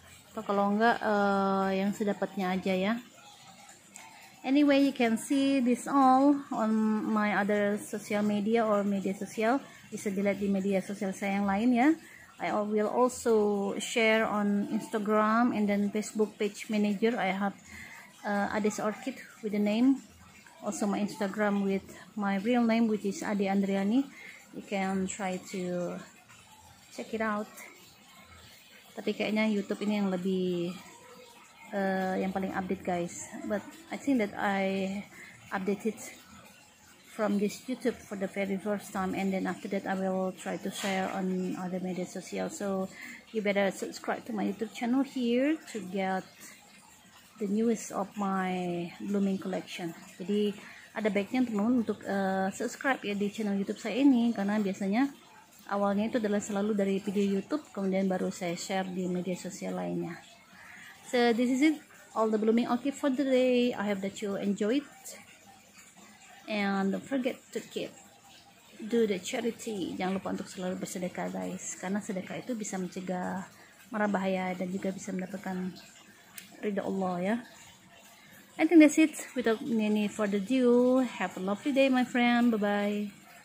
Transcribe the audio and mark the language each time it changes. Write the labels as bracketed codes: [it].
[id] Atau kalau enggak, yang sedapatnya aja ya. [en] Anyway, you can see this all on my other social media or media sosial. [id] Bisa dilihat di media sosial saya yang lain ya. [en] I will also share on Instagram and then Facebook page manager. I have Adis Orchid with the name. Also my Instagram with my real name, which is Ade Andriani. You can try to check it out. [id] Tapi kayaknya YouTube ini yang lebih yang paling update, guys. [en] But I think that I updated from this YouTube for the very first time, and then after that I will try to share on other media social. So you better subscribe to my YouTube channel here to get the newest of my blooming collection. [id] Jadi ada baiknya teman-teman untuk subscribe ya di channel YouTube saya ini, karena biasanya awalnya itu adalah selalu dari video YouTube, kemudian baru saya share di media sosial lainnya. [en] So this is it, all the blooming orchid for today. I hope that you enjoy it, and don't forget to keep do the charity. [id] Jangan lupa untuk selalu bersedekah, guys, karena sedekah itu bisa mencegah mara bahaya dan juga bisa mendapatkan ridha Allah, ya. [en] I think that's it. Without any further ado, have a lovely day, my friend. Bye-bye.